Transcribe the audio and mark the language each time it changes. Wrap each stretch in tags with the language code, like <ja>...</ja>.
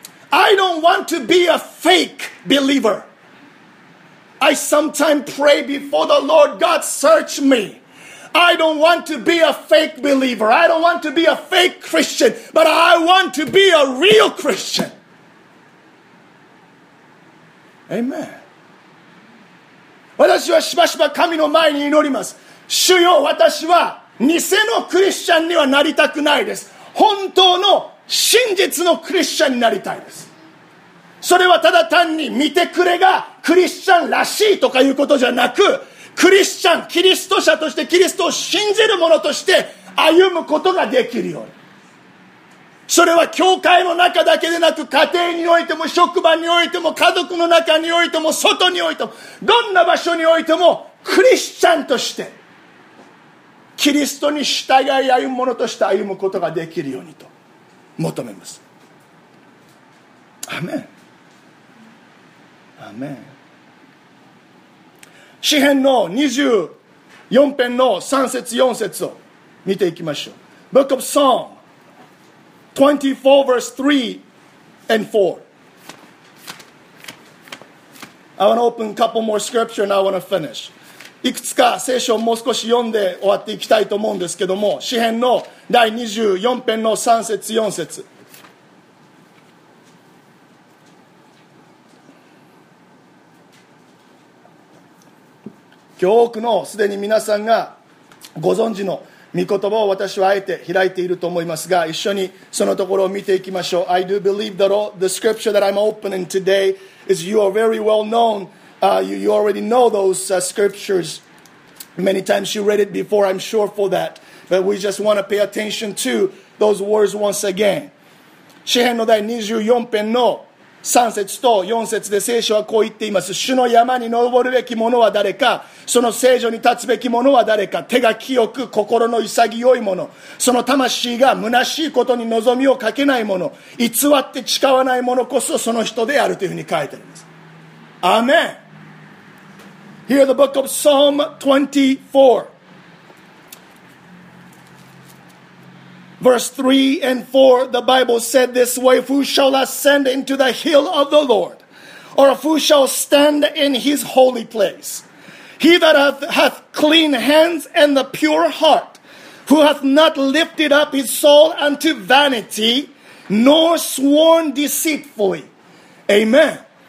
<en>I don't want to be a fake believer. I sometimes pray before the Lord, God, search me. I don't want to be a fake believer. I don't want to be a fake Christian, but I want to be a real Christian. Amen.</en> <ja>私はしばしば神の前に祈ります。主よ、私は偽のクリスチャンにはなりたくないです。本当の真実のクリスチャンになりたいです。それはただ単に見てくれがクリスチャンらしいとかいうことじゃなく、クリスチャン、キリスト者として、キリストを信じる者として歩むことができるように。それは教会の中だけでなく、家庭においても、職場においても、家族の中においても、外においても、どんな場所においても、クリスチャンとしてキリストに従い歩む者として歩むことができるようにと求めます。アメン。アメン。詩編の24編の3節4節を見ていきましょう。</ja> <en>Book of Psalm24 verse 3 and 4. I want to open a couple more scriptures and I want to finish.</en> <ja>いくつか聖書をもう少し読んで終わっていきたいと思うんですけども、詩編の第24編の3節4節。今日多くのすでに皆さんがご存知の御言葉を私はあえて開いていると思いますが、一緒にそのところを見ていきましょう。</ja> <en>I do believe that all the scripture that I'm opening today is you are very well known. You already know those scriptures. Many times you read it before, I'm sure for that. But we just want to pay attention to those words once again.</en> <ja>詩編の第24編の3節と4節で聖書はこう言っています。主の山に登るべき者は誰か、その聖女に立つべき者は誰か。手が清く心の潔い者、その魂が虚しいことに望みをかけない者、偽って誓わない者こそその人であるというふうに書いてあります。アーメン。</ja> <en>Here the book of Psalm 24 verse 3 and 4, the Bible said this way, Who shall ascend into the hill of the Lord? or who shall stand in his holy place? He that hath clean hands and the pure heart, who hath not lifted up his soul unto vanity, nor sworn deceitfully. Amen.</en>